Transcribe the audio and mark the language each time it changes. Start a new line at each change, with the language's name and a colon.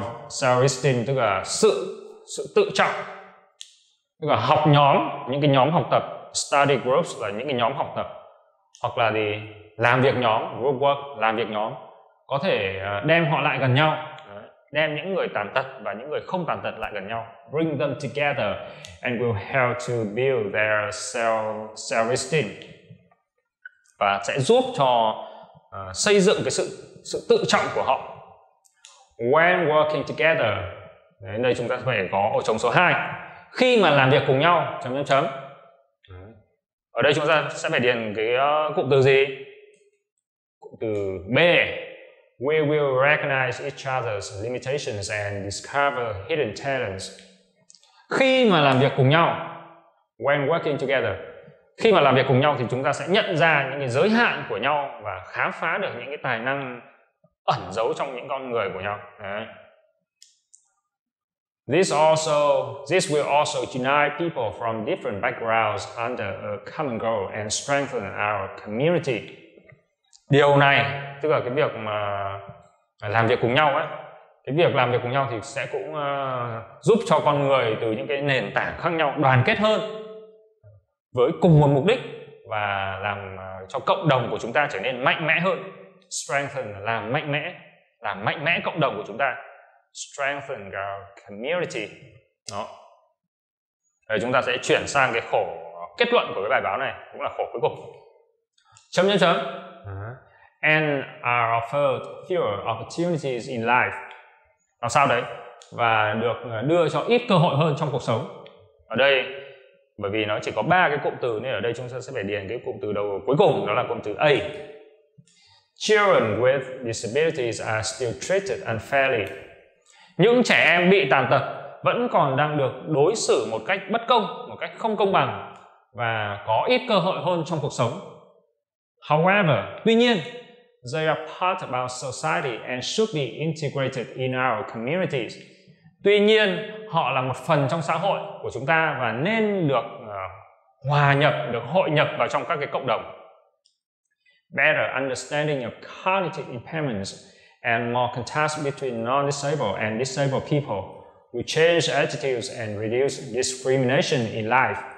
Vietnamese: Self-esteem tức là sự tự trọng. Tức là học nhóm, những cái nhóm học tập,
English: study groups
Vietnamese: là những cái nhóm học tập, hoặc là gì, làm việc nhóm,
English: group work,
Vietnamese: làm việc nhóm, có thể đem họ lại gần nhau. Đem những người tàn tật và những người không tàn tật lại gần nhau.
English: Bring them together and will help to build their self-esteem.
Vietnamese: Và sẽ giúp cho xây dựng cái sự tự trọng của họ.
English: When working together.
Vietnamese: Đấy, đây chúng ta phải có ở trong số 2. Khi mà làm việc cùng nhau. Ở đây chúng ta sẽ phải điền cái cụm từ gì? Cụm từ B.
English: We will recognize each other's limitations and discover hidden talents.
Vietnamese: Khi mà làm việc cùng nhau,
English: when working together,
Vietnamese: khi mà làm việc cùng nhau thì chúng ta sẽ nhận ra những cái giới hạn của nhau và khám phá được những cái tài năng ẩn giấu trong những con người của nhau.
English: This will also unite people from different backgrounds under a common goal and strengthen our community.
Vietnamese: Điều này, tức là cái việc mà làm việc cùng nhau ấy, cái việc làm việc cùng nhau thì sẽ cũng giúp cho con người từ những cái nền tảng khác nhau đoàn kết hơn, với cùng một mục đích và làm cho cộng đồng của chúng ta trở nên mạnh mẽ hơn. Strengthen là mạnh mẽ, làm mạnh mẽ cộng đồng của chúng ta.
English: Strengthen our community.
Vietnamese: Đó. Rồi chúng ta sẽ chuyển sang cái khổ kết luận của cái bài báo này, cũng là khổ cuối cùng. Chấm chấm chấm.
English: And are offered fewer opportunities in life.
Vietnamese: Làm sao đấy? Và được đưa cho ít cơ hội hơn trong cuộc sống. Ở đây, bởi vì nó chỉ có 3 cái cụm từ nên ở đây chúng ta sẽ phải điền cái cụm từ đầu cuối cùng, đó là cụm từ A.
English: Children with disabilities are still treated unfairly.
Vietnamese: Những trẻ em bị tàn tật vẫn còn đang được đối xử một cách bất công, một cách không công bằng và có ít cơ hội hơn trong cuộc sống.
English: However,
Vietnamese: tuy nhiên,
English: they are part of our society and should be integrated in our communities.
Vietnamese: Tuy nhiên, họ là một phần trong xã hội của chúng ta và nên được hòa nhập, được hội nhập vào trong các cái cộng đồng.
English: Better understanding of cognitive impairments and more contrast between non-disabled and disabled people will change attitudes and reduce discrimination in life.